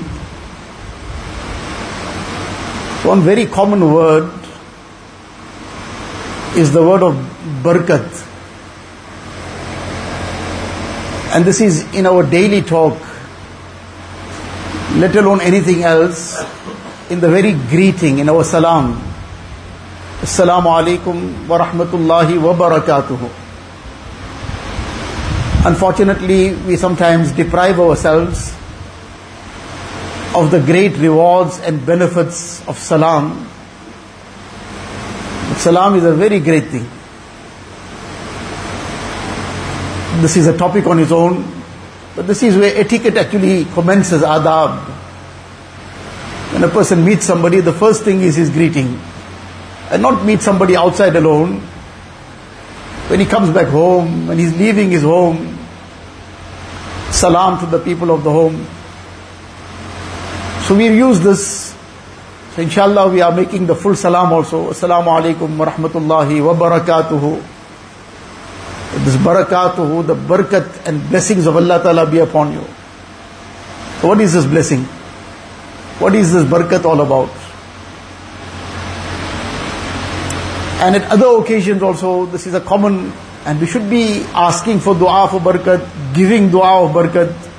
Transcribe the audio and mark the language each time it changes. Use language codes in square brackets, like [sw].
[en] One very common word is the word of barkat. And this is in our daily talk, let alone anything else, in the very greeting, in our salam. [ar] Assalamu alaikum wa rahmatullahi wa barakatuhu. [en] Unfortunately, we sometimes deprive ourselves of the great rewards and benefits of salam. But salam is a very great thing. This is a topic on its own, but this is where etiquette actually commences, adab. When a person meets somebody, the first thing is his greeting. And not meet somebody outside alone. When he comes back home, when he's leaving his home, salam to the people of the home. So we use this. So inshallah we are making the full salam also. [ar] Assalamu alaikum wa rahmatullahi wa barakatuhu. [en] This barakatuhu, the barkat and blessings of Allah Ta'ala be upon you. So what is this blessing? What is this barkat all about? And at other occasions also, this is a common, and we should be asking for dua for barkat, giving dua of barkat.